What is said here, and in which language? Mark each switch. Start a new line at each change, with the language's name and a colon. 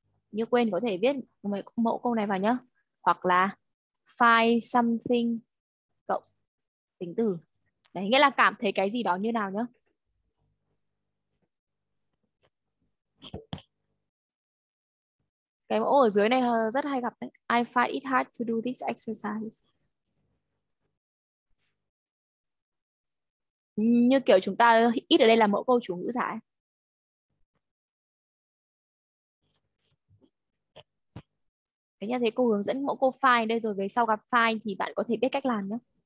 Vietnamese: Như quên, có thể viết mấy mẫu câu này vào nhá, hoặc là find something tính từ đấy, nghĩa là cảm thấy cái gì đó như nào nhá. Cái mẫu ở dưới này rất hay gặp đấy.
English: I find it hard to do this exercise.
Vietnamese: Như kiểu chúng ta ít ở đây là mẫu câu chủ ngữ giải. Thế nha, thế cô hướng dẫn mẫu câu find đây, rồi về sau gặp find thì bạn có thể biết cách làm nhé.